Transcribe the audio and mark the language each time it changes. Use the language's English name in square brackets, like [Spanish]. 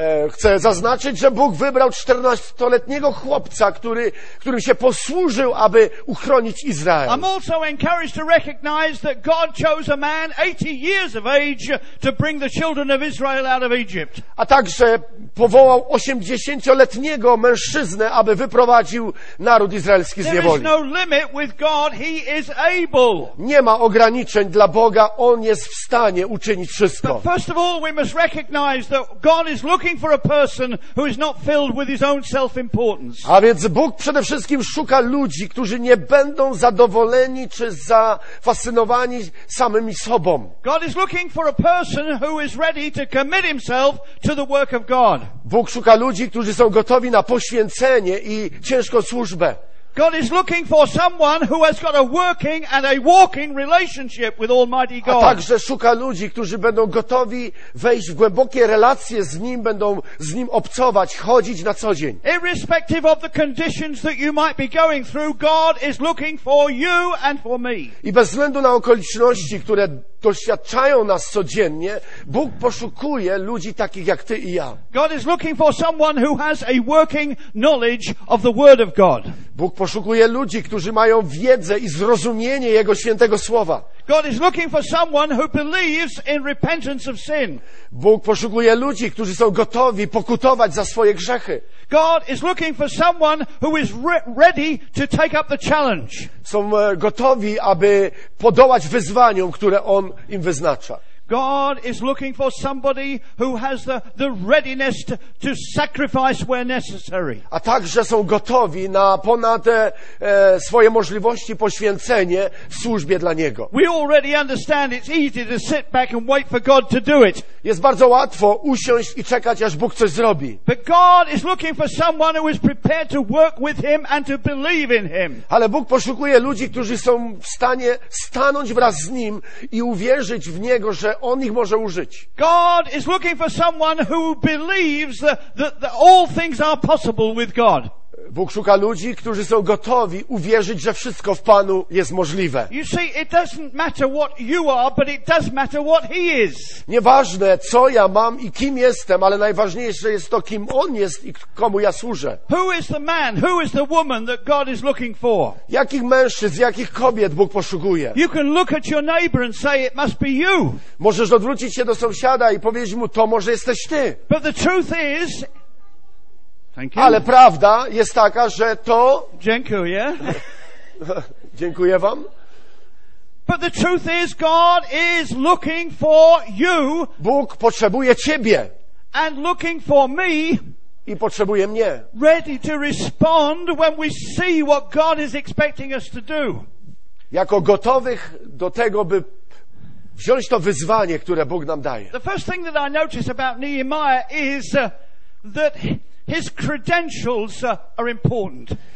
[Polish] Chcę zaznaczyć, że Bóg wybrał 14-letniego chłopca, którym się posłużył, aby uchronić Izrael. [English] I'm also encouraged to recognize that God chose a man 80 years of age to bring the children of Israel out of Egypt. [Polish] A także powołał 80-letniego mężczyznę, aby wyprowadził naród izraelski z niewoli. [English] There is no limit with God, he is able. [Polish] Nie ma ograniczeń dla Boga, on jest w stanie uczynić wszystko. [English] But first of all, we must recognize that God is looking for a person who is not filled with his own self-importance. [Polish] A więc Bóg przede wszystkim szuka ludzi, którzy nie będą zadowoleni czy zafascynowani samymi sobą. [English] God is looking for a person who is ready to commit himself to the work of God. [Polish] Bóg szuka ludzi, którzy są gotowi na poświęcenie i ciężką służbę. [English] God is looking for someone who has got a working and a walking relationship with Almighty God. [Polish] A także szuka ludzi, którzy będą gotowi wejść w głębokie relacje z Nim, będą z Nim obcować, chodzić na co dzień. [English] Irrespective of the conditions that you might be going through, God is looking for you and for me. [Polish] I bez względu na okoliczności, które doświadczają nas codziennie, Bóg poszukuje ludzi takich jak ty i ja. [English] God is looking for someone who has a working knowledge of the Word of God. [Polish] Bóg poszukuje ludzi, którzy mają wiedzę i zrozumienie Jego świętego słowa. [English] God is looking for someone who believes in repentance of sin. [Polish] Bóg poszukuje ludzi, którzy są gotowi pokutować za swoje grzechy. [English] God is looking for someone who is ready to take up the challenge. [Polish] Są gotowi, aby podołać wyzwaniom, które on im wyznacza. [English] God is looking for somebody who has the readiness to sacrifice where necessary. [Polish] A także są gotowi na ponad swoje możliwości poświęcenie służbie dla Niego. [English] We already understand it's easy to sit back and wait for God to do it. [Polish] Jest bardzo łatwo usiąść i czekać, aż Bóg coś zrobi. [English] But God is looking for someone who is prepared to work with Him and to believe in Him. [Polish] Ale Bóg poszukuje ludzi, którzy są w stanie stanąć wraz z Nim i uwierzyć w Niego, że On ich może użyć. [English] God is looking for someone who believes that all things are possible with God. [Polish] Bóg szuka ludzi, którzy są gotowi uwierzyć, że wszystko w Panu jest możliwe. [English] You see, it doesn't matter what you are, but it does matter what he is. [Polish] Nieważne, co ja mam i kim jestem, ale najważniejsze jest to, kim on jest i komu ja służę. [English] Who is the man? Who is the woman that God is looking for? [Polish] Jakich mężczyzn, jakich kobiet Bóg poszukuje? [English] You can look at your neighbor and say it must be you. [Polish] Możesz odwrócić się do sąsiada i powiedzieć mu, to może jesteś ty. [English] But the truth is, [Polish] ale prawda jest taka, że to... Dziękuję. Dziękuję wam. [English] But the truth is, God is looking for you. [Polish] Bóg potrzebuje ciebie. [English] And looking for me. [Polish] I potrzebuje mnie. [English] Ready to respond when we see what God is expecting us to do. [Polish] Jako gotowych do tego, by wziąć to wyzwanie, które Bóg nam daje. [English] The first thing that I notice about Nehemiah is that... His credentials are important.